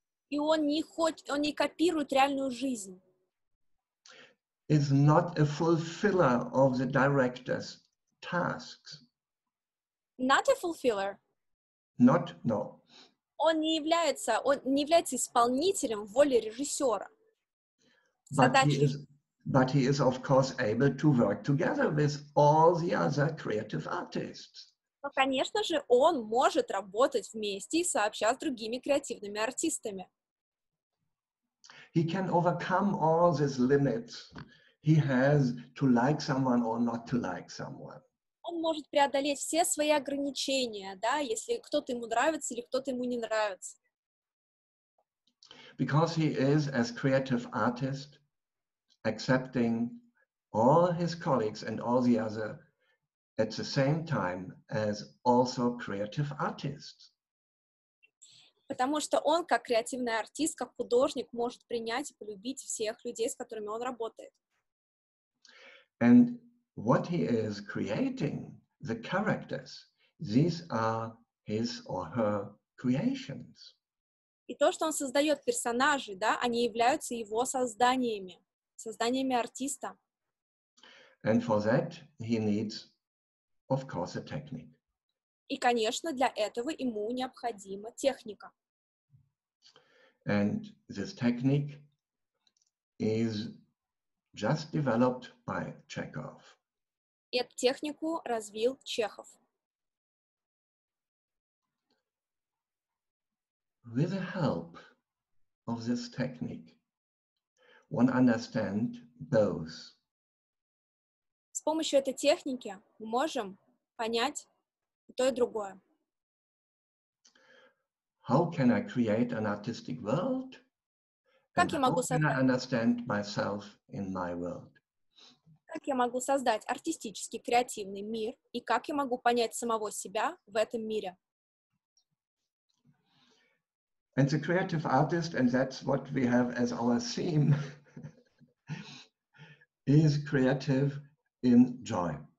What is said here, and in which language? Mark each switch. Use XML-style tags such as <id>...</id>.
<ru>И он не копирует реальную жизнь.</ru> <en>Is not a fulfiller of the director's tasks. Not a fulfiller. Not, no.</en> <ru>Он не является исполнителем воли режиссера.</ru> <en>But he is, of course, able to work together with all the other creative artists.</en> <ru>Но, конечно же, он может работать вместе и сообща с другими креативными артистами.</ru> <en>He can overcome all these limits he has to like someone or not to like someone.</en> <ru>Он может преодолеть все свои ограничения, да, если кто-то ему нравится или кто-то ему не нравится.</ru> <en>Because he is, as creative artist, accepting all his colleagues and all the other at the same time as also creative artists.</en> <ru>Потому что он, как креативный артист, как художник, может принять и полюбить всех людей, с которыми он работает.</ru> <en>And what he is creating, the characters, these are his or her creations.</en> <ru>И то, что он создает персонажей, да, они являются его созданиями, созданиями артиста.</ru> <en>And for that he needs, of course, a technique.</en> <ru>И, конечно, для этого ему необходима техника.</ru> <en>And this technique is just developed by Chekhov.</en> <ru>Эту технику развил Чехов.</ru> <en>With the help of this technique, one understands both.</en> <ru>С помощью этой техники мы можем понять и то, и другое.</ru> <en>How can I create an artistic world?</en> <ru>Как я могу создать?</ru> <en>How can I understand myself in my world?</en> <ru>Как я могу создать артистический, креативный мир? И как я могу понять самого себя в этом мире?</ru> <en>And the creative artist, and that's what we have as our theme, is creative in joy.</en>